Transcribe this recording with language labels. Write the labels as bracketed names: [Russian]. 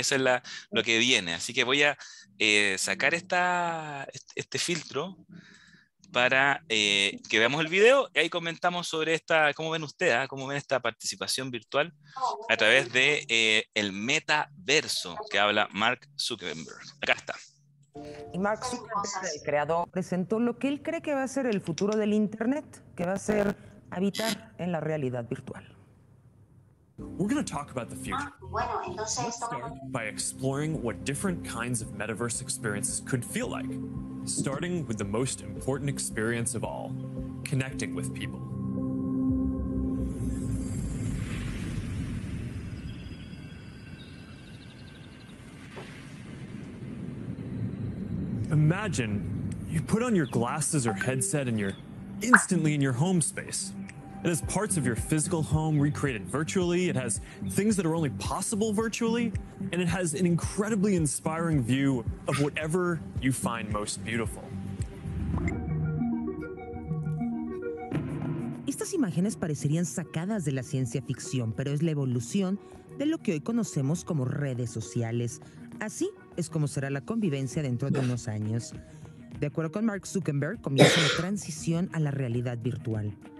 [Spanish] Y eso es lo que viene. Así que voy a sacar este filtro para que veamos el video y ahí comentamos sobre esta, cómo ven ustedes, cómo ven esta participación virtual a través de el metaverso que habla Mark Zuckerberg. Acá está. Y Mark Zuckerberg, el creador, presentó lo que él cree que va a ser el futuro del Internet, que va a ser habitar en la realidad virtual. [English] We're going to talk about the future. Let's start by exploring what different kinds of metaverse experiences could feel like, starting with the most important experience of all, connecting with people. Imagine you put on your glasses or headset and you're instantly in your home space. It has parts of your physical home recreated virtually. It has things that are only possible virtually. And it has an incredibly inspiring view of whatever you find most beautiful. [Spanish] Estas imágenes parecerían sacadas de la ciencia ficción, pero es la evolución de lo que hoy conocemos como redes sociales. Así es como será la convivencia dentro de unos años. De acuerdo con Mark Zuckerberg, comienza la transición a la realidad virtual.